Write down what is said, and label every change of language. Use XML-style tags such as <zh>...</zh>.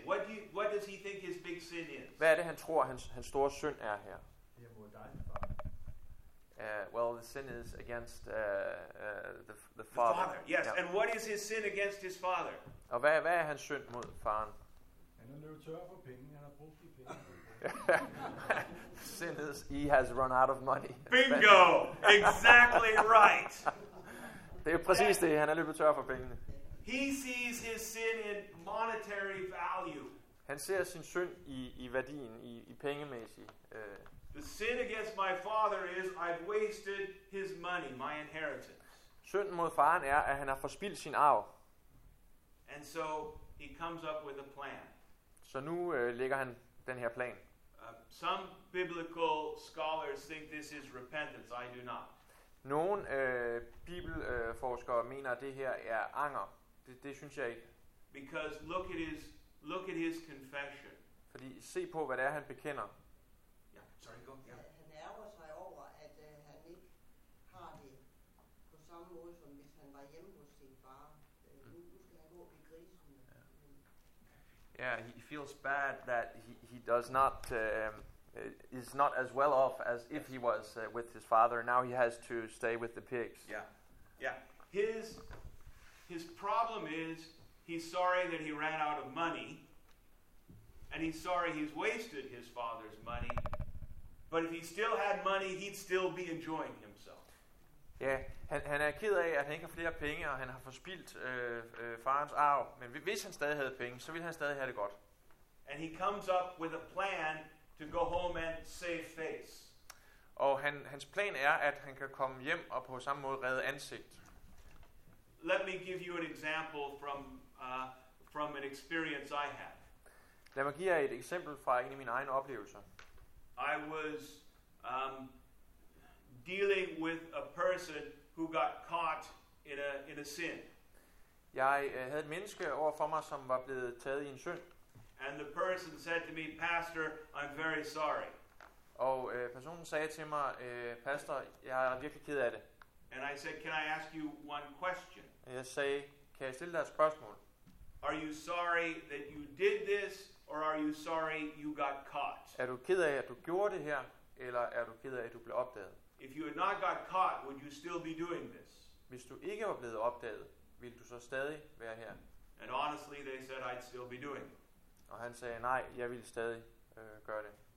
<en>What does he think his big sin is?</en> <da>Hvad er det han tror hans store synd er her?</da> <en>Well, the sin is against the father. The father, yes. Yeah. And what is his sin against his father?</en> <da>Og hvad er hans synd mod faren? Han er løbet tør for penge. Han har brugt de penge.</da> <en>Sin is he has run out of money. Bingo! Exactly right.</en> <da>Det er præcis det. Han er løbet tør for pengene.</da> <en>He sees his sin in monetary value.</en> <da>Han ser sin synd i værdien, i pengemæssig.</da> <en>The sin against my father is I've wasted his money, my inheritance.</en> <da>Synden mod faren er at han har forspildt sin arv.</da> <en>And so he comes up with a plan.</en> <da>Så nu lægger han den her plan.</da> <en>Some biblical scholars think this is repentance. I do not.</en> <da>Nogle bibelforskere mener at det her er anger. Det synes jeg ikke.</da> <en>Because look at his confession.</en> <da>Fordi se på hvad det er han bekender. Han ærger sig over, at han ikke har det på samme måde, som hvis han var hjemme hos sin far. Nu skal han gå ved grisene.</da> <en>Yeah, he feels bad that he does not is not as well off as if he was with his father. Now he has to stay with the pigs. Yeah. His problem is he's sorry that he ran out of money, and he's sorry he's wasted his father's money. But if he still had money, he'd still be enjoying himself.</en> <da>Ja, han er ked af, at han ikke har flere penge, og han har forspildt farens arv. Men hvis han stadig havde penge, så ville han stadig have det godt.</da> <en>And he comes up with a plan to go home and save face.</en> <da>Og hans plan er, at han kan komme hjem og på samme måde redde ansigt.</da> <en>Let me give you an example from an experience I have.</en> <da>Lad mig give jer et eksempel fra en af mine egne oplevelser.</da> <en>I was dealing with a person who got caught in a sin.</en> <da>Jeg havde et menneske over for mig, som var blevet taget i en synd.</da> <en>And the person said to me, "Pastor, I'm very sorry."</en> <da>Og personen sagde til mig, "Pastor, jeg er virkelig ked af det."</da> <en>And I said, "Can I ask you one question?"</en> <da>Jeg sagde, "Kan jeg stille dig et spørgsmål?"</da> <en>Are you sorry that you did this? Or are you sorry you got caught?</en> <da>Er du ked af at du gjorde det her, eller er du ked af at du blev opdaget?</da> <en>If you had not got caught, would you still be doing this?</en> <da>Hvis du ikke var blevet opdaget, ville du så stadig være her?</da> <en>And honestly, they said I'd still be doing.</en> <da>Og han sagde nej, jeg ville stadig gøre det.</da>